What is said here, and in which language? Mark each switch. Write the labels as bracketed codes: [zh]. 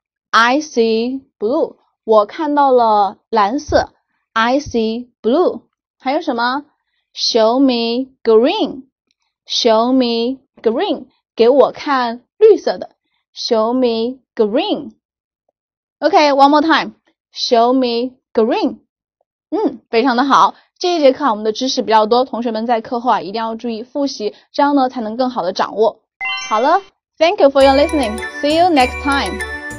[en] I see blue， [zh] 我看到了蓝色。 [en] I see blue， [zh] 还有什么？ [en] Show me green, show me green， [zh] 给我看绿色的。 [en] Show me green, OK, one more time. Show me green. [zh] 非常的好。这一节课我们的知识比较多，同学们在课后啊一定要注意复习，这样呢才能更好的掌握。好了， [en] Thank you for your listening. See you next time.